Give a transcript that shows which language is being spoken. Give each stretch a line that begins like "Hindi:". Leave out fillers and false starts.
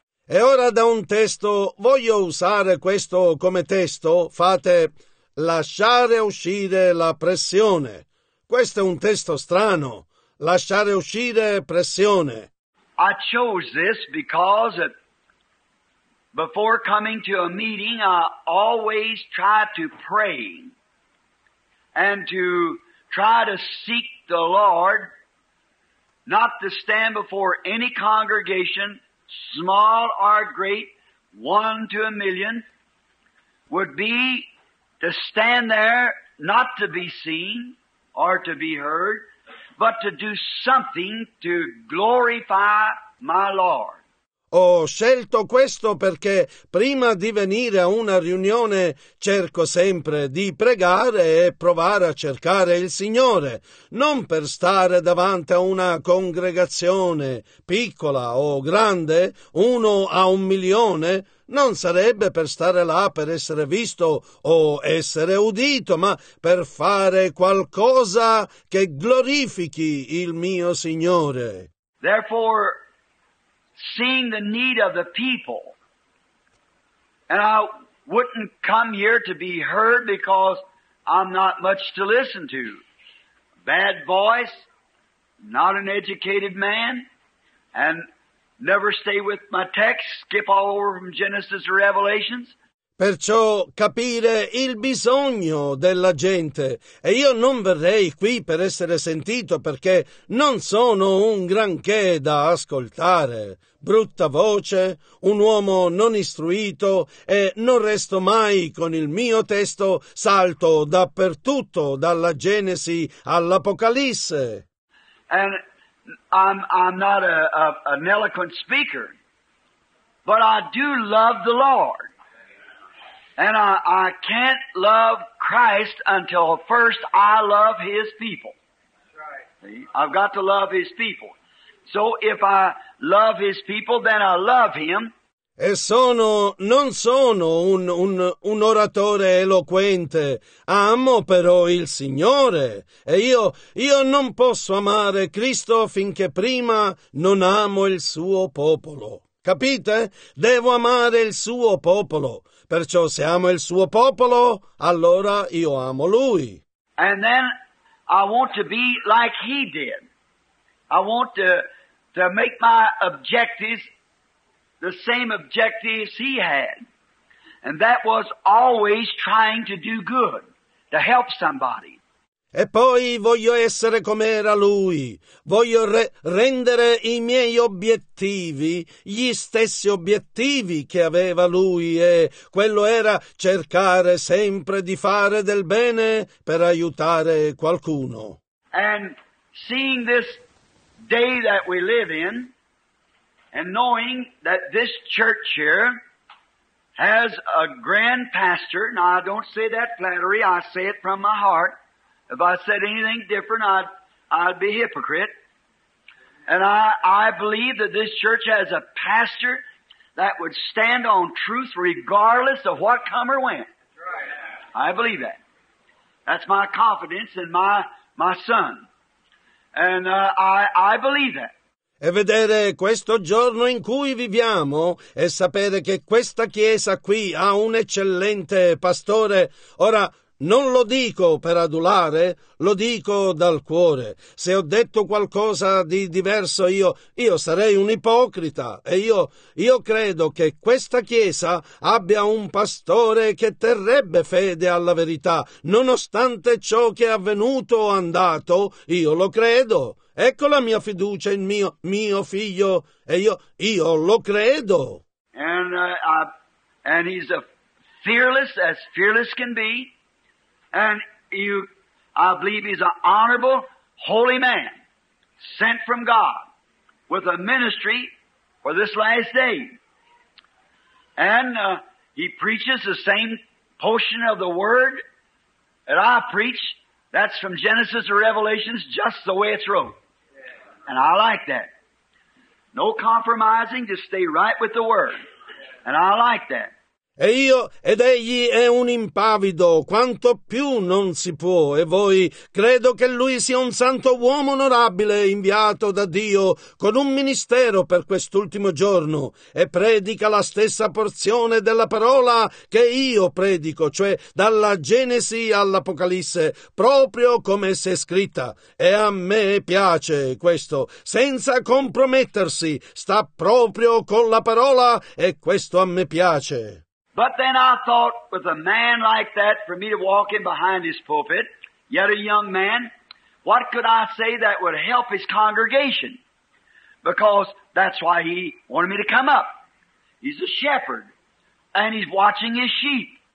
Italian: E ora da un testo, voglio usare questo come testo, fate lasciare uscire la pressione. Questo è un testo strano, lasciare uscire pressione.
English: I chose this because before coming to a meeting I always try to pray. And to try to seek the Lord, not to stand before any congregation, small or great, one to a million, would be to stand there not to be seen or to be heard, but to do something to glorify my Lord.
Italian: Ho scelto questo perché prima di venire a una riunione cerco sempre di pregare e provare a cercare il Signore, non per stare davanti a una congregazione piccola o grande, uno a un milione, non sarebbe per stare là per essere visto o essere udito, ma per fare qualcosa che glorifichi il mio Signore.
English: Therefore, seeing the need of the people, and I wouldn't come here to be heard because I'm not much to listen to. Bad voice, not an educated man, and never stay with my text, skip all over from Genesis to Revelations.
Italian: Perciò capire il bisogno della gente. E io non verrei qui per essere sentito perché non sono un granché da ascoltare. Brutta voce, un uomo non istruito e non resto mai con il mio testo, salto dappertutto dalla Genesi all'Apocalisse.
English: And I'm not an eloquent speaker, but I do love the Lord. And I can't love Christ until first I love His people. That's right. See? I've got to love His people. So if I love His people, then I love Him.
Italian: E non sono un oratore eloquente. Amo però il Signore. E io non posso amare Cristo finché prima non amo il suo popolo. Capite? Devo amare il suo popolo. Perciò se amo il suo popolo, allora io amo lui.
English: And then I want to be like he did. I want to make my objectives the same objectives he had. And that was always trying to do good, to help somebody.
Italian: E poi voglio essere come era lui, voglio rendere i miei obiettivi gli stessi obiettivi che aveva lui, e quello era cercare sempre di fare del bene per aiutare qualcuno.
English: And seeing this day that we live in, and knowing that this church here has a grand pastor, now I don't say that flattery, I say it from my heart. If I said anything different, I'd be a hypocrite. And I believe that this church has a pastor that would stand on truth regardless of what come or went. That's right. I believe that. That's my confidence in my son. And I believe that.
Italian: E vedere questo giorno in cui viviamo e sapere che questa chiesa qui ha un eccellente pastore. Ora, Non lo dico per adulare, lo dico dal cuore. Se ho detto qualcosa di diverso, io sarei un ipocrita. E io credo che questa Chiesa abbia un pastore che terrebbe fede alla verità. Nonostante ciò che è avvenuto o andato, io lo credo. Ecco la mia fiducia in mio figlio, e io lo credo.
English: And he's a fearless, as fearless can be. And you, I believe he's an honorable, holy man, sent from God, with a ministry for this last day. And he preaches the same portion of the Word that I preach. That's from Genesis to Revelations, just the way it's wrote. And I like that. No compromising, just stay right with the Word. And I like that.
Italian: Ed egli è un impavido, quanto più non si può, e voi credo che lui sia un santo uomo onorabile inviato da Dio con un ministero per quest'ultimo giorno e predica la stessa porzione della parola che io predico, cioè dalla Genesi all'Apocalisse, proprio come si è scritta. E a me piace questo, senza compromettersi, sta proprio con la parola e questo a me piace.
English: But then I thought, with a man like that, for me to walk in behind his pulpit, yet a young man, what could I say that would help his congregation? Because that's why he wanted me to come up. He's a shepherd, and he's watching his sheep.